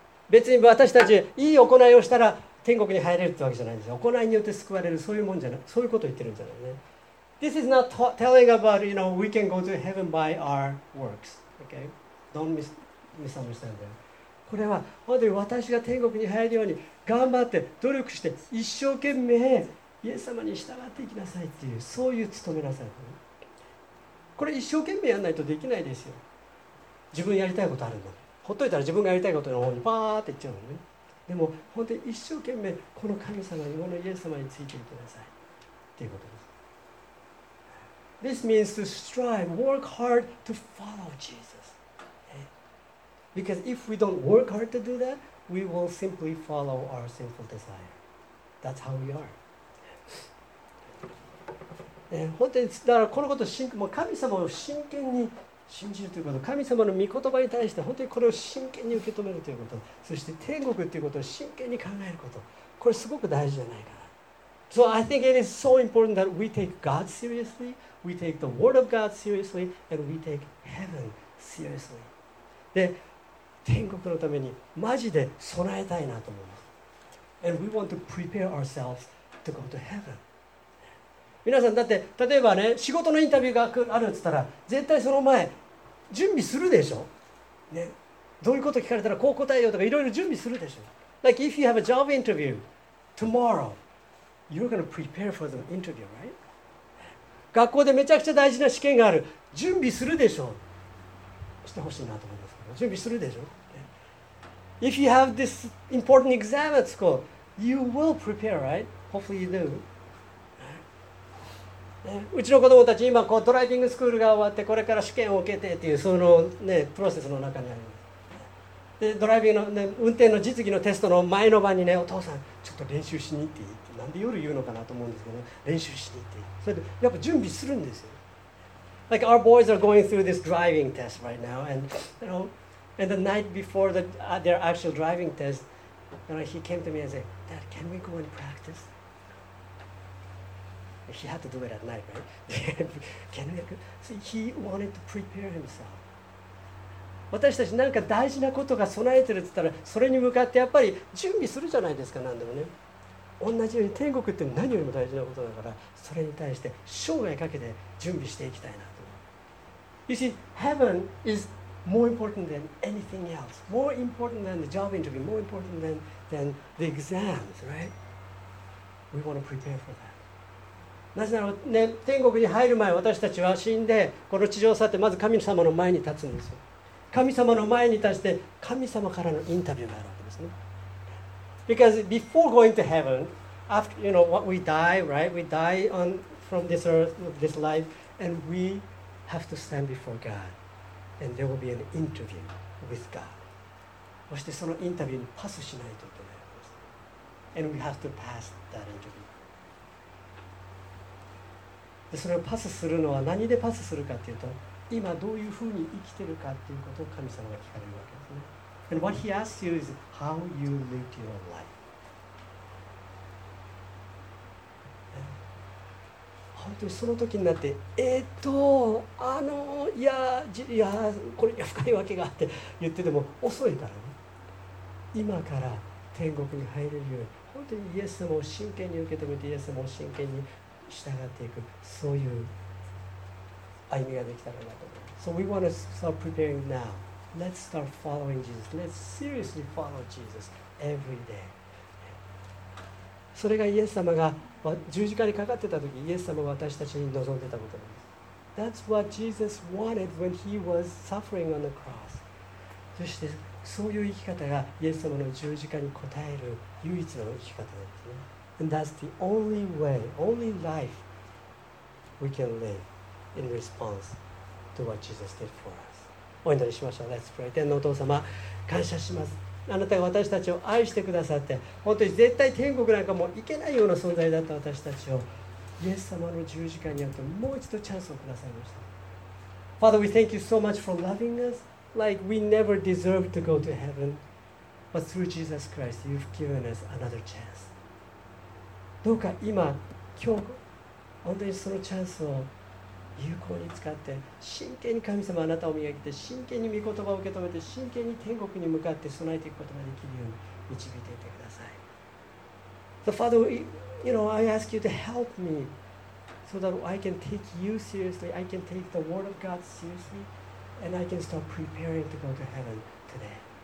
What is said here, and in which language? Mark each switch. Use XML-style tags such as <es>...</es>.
<ja>別に私たち、いい行いをしたら天国に入れるってわけじゃないんですよ。行いによって救われる、そういうもんじゃない。そういうことを言ってるんじゃないね。</ja> <en>This is not telling about, you know, we can go to heaven by our works. Okay? Don't misunderstand that.</en> <ja>これは、まず私が天国に入るように頑張って、努力して、一生懸命、イエス様に従っていきなさいっていう、そういう務めなさい。これ一生懸命やらないとできないですよ。自分やりたいことあるの。ほっといたら自分がやりたいことの方にパーっていっちゃうのね。でも本当に一生懸命この神様に、このイエス様についていってくださいっていうことです。</ja> <en>This means to strive, work hard to follow Jesus. Because if we don't work hard to do that, we will simply follow our sinful desire. That's how we are.</en> <ja>本当にだからこのことをもう神様を真剣に信じるということ、神様の御言葉に対して本当にこれを真剣に受け止めるということ、そして天国ということを真剣に考えること、これすごく大事じゃないかな。</ja> <en>So I think it is so important that we take God seriously, we take the word of God seriously, and we take heaven seriously.</en> <ja>で天国のためにマジで備えたいなと思います。</ja> <en>And we want to prepare ourselves to go to heaven.</en> <ja>皆さんだって例えばね仕事のインタビューがあるって言ったら絶対その前準備するでしょ、ね、どういうこと聞かれたらこう答えようとかいろいろ準備するでしょ。</ja> <en>Like if you have a job interview tomorrow, you're going to prepare for the interview, right?</en> <ja>学校でめちゃくちゃ大事な試験がある、準備するでしょ、してほしいなと思います、ね、準備するでしょ、ね、</ja> <en>If you have this important exam at school, you will prepare, right? Hopefully you do.</en> <ja>うちの子供たち今こうドライビングスクールが終わってこれから試験を受けてっていうそのねプロセスの中にあります。でドライビングの、ね、運転の実技のテストの前の晩にねお父さんちょっと練習しに行っていいって、なんで夜言うのかなと思うんですけど、ね、練習しに行っていい、それでやっぱ準備するんですよ。</ja> <en>Like our boys are going through this driving test right now, and you know, and the night before the, their actual driving test, you know, he came to me and said, Dad, can we go and practice? He had to do it at night, right? Can we? So he wanted to prepare himself.</en> <ja>私たちなんか大事なことが備えてるって言ったら、それに向かってやっぱり準備するじゃないですか、何でもね。同じように天国って何よりも大事なことだから、それに対して生涯かけて準備していきたいなと。</ja> <en>You see, heaven is more important than anything else. More important than the job interview. More important than the exams, right? We want to prepare for that.</en> <ja>なぜなら、ね、天国に入る前私たちは死んでこの地上を去ってまず神様の前に立つんですよ。神様の前に立して神様からのインタビューがあるわけですね。</ja> <en>Because before going to heaven, after, you know, what we die, right? We die on, from this earth, this life, and we have to stand before God. And there will be an interview with God.</en> <ja>そしてそのインタビューにパスしないといけないわけです。</ja> <en>And we have to pass that interview.</en> <ja>それをパスするのは何でパスするかっていうと、今どういうふうに生きてるかっていうことを神様が聞かれるわけですね。</ja> <en>And what he asks you is how you live your life.</en> <ja>本当にその時になって、これ深いわけがあって言ってても遅いからね。今から天国に入れるように、本当にイエス様を真剣に受け止めて、イエス様を真剣に従っていく、そういう歩みができたらなと思います。</ja> <en>So we want to start preparing now. Let's start following Jesus. Let's seriously follow Jesus every day.</en> <ja>それがイエス様が十字架にかかってた時、イエス様は私たちに望んでたことなんです。</ja> <en>That's what Jesus wanted when he was suffering on the cross.</en> <ja>そしてそういう生き方がイエス様の十字架に応える唯一の生き方なんですね。</ja> <en>And that's the only way, only life we can live in response to what Jesus did for us.</en> <ja>お祈りしましょう。</ja> <en>Let's pray.</en> <ja>天のお父様、感謝します。あなたが私たちを愛してくださって、本当に絶対天国なんかもう行けないような存在だった私たちを、イエス様の十字架によってもう一度チャンスをくださいました。</ja> <en>Father, we thank you so much for loving us like we never deserved to go to heaven. But through Jesus Christ, you've given us another chance.</en> <ja>どうか今日本当にそのチャンスを有効に使って、真剣に神様あなたを磨いて、真剣に御言葉を受け止めて、真剣に天国に向かって備えていくことができるように導いていってください。</ja> <en>So Father, you know, I ask you to help me so that I can take you seriously, I can take the word of God seriously, and I can start preparing to go to heaven today.</en>